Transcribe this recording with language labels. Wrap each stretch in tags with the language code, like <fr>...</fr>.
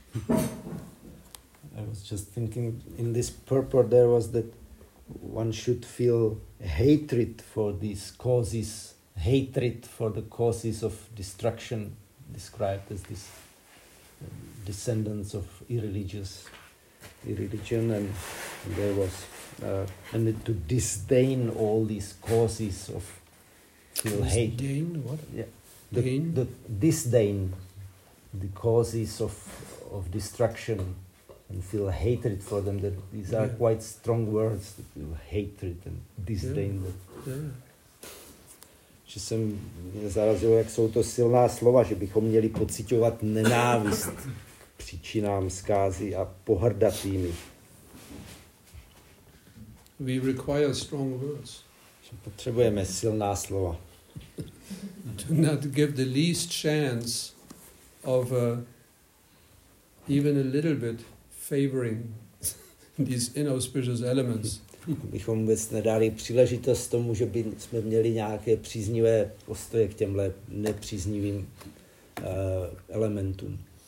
<en>I was just thinking in this purport there was that one should feel hatred for these causes, hatred for the causes of destruction described as this descendants of irreligion, and there was and to disdain all these causes of feel hate. Disdain what? Yeah. The disdain the causes of destruction and feel hatred for them. That these are quite strong words, hatred and disdain.</en> <cs>Že jsem mě zarazilo, jak jsou to silná slova, že bychom měli pociťovat nenávist příčinám zkázy a pohrdat jimi.</cs> <en>We require strong words.</en> <cs>Potřebujeme silná slova.</cs> <en>Do not give the least chance of even a little bit favoring these inauspicious elements.</en> <cs>Bychom vůbec nedali příležitost tomu, že by jsme měli nějaké příznivé postoje k těmhle nepříznivým elementům.</cs>